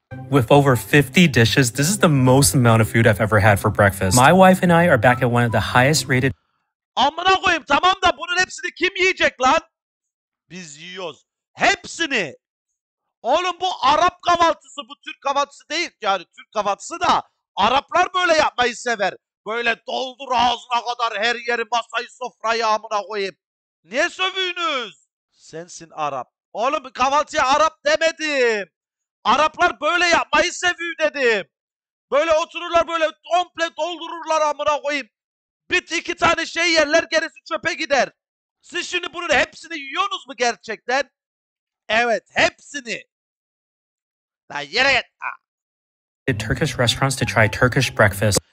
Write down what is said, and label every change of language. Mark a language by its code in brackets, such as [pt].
[en] With over 50 dishes, this is the most amount of food I've ever had for breakfast. My wife and I are back at one of the highest rated. [tr] Amına koyayım tamam da bunun hepsini kim yiyecek lan? Biz yiyoruz. Hepsini. Oğlum bu Arap kahvaltısı, bu Türk kahvaltısı değil. Yani Türk kahvaltısı da Araplar böyle yapmayı sever. Böyle doldur ağzına kadar her yeri masayı sofrayı amına koyayım. Niye sövüyünüz? Sensin Arap. Oğlum kahvaltıya Arap demedim. Araplar böyle yapmayı seviyor dedim. Böyle otururlar böyle komple doldururlar amına koyayım. Bit iki tane şey yerler gerisi çöpe gider. Siz şimdi bunun hepsini yiyorsunuz mu gerçekten? Evet, hepsini. Lan yere git. [en] Turkish restaurants to try Turkish breakfast.